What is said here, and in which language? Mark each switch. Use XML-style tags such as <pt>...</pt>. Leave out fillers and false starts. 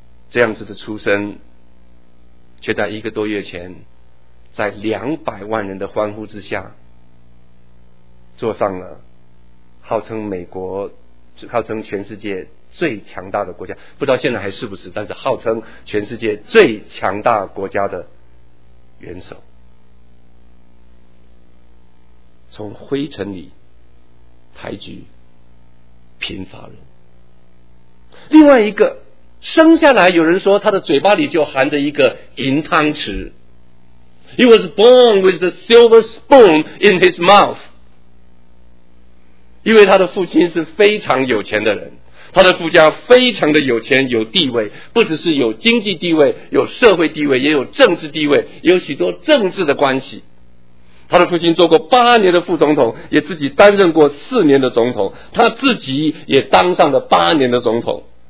<zh>这样子的出身却在一个多月前在200万人的欢呼之下坐上了号称美国号称全世界最强大的国家，不知道现在还是不是，但是号称全世界最强大国家的元首，从灰尘里抬举贫乏人。另外一个生下来有人说他的嘴巴里就含着一个银汤匙。</zh> <en>He was born with the silver spoon in his mouth.</en> <zh>因为他的父亲是非常有钱的人，他的父家非常的有钱有地位，不只是有经济地位，有社会地位，也有政治地位，也有许多政治的关系。他的父亲做过8年的副总统，也自己担任过4年的总统，他自己也当上了8年的总统。</zh>